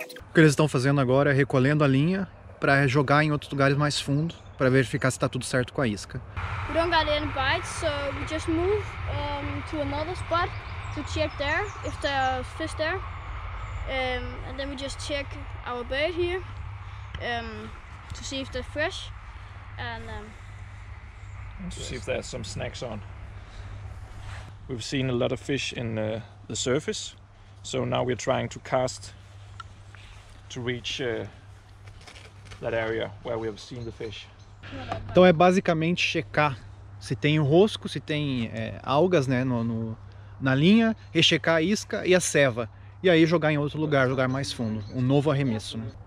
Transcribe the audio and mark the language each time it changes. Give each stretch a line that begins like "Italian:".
Portuguese: O que eles estão fazendo agora é recolhendo a linha para jogar em outros lugares mais fundo para verificar se está tudo certo com a isca.
English: We don't got any bites, so we just move to another spot to check there if there are fish there, and then we just check our bait here to see if they're fresh and to see if there's some snacks on. We've seen a lot of fish in the surface, so now we're trying to cast to reach that area where we have seen the fish.
Portuguese: Então é basicamente checar se tem rosco, se tem algas, né, na linha, rechecar a isca e a seva e aí jogar em outro lugar, jogar mais fundo, um novo arremesso, né?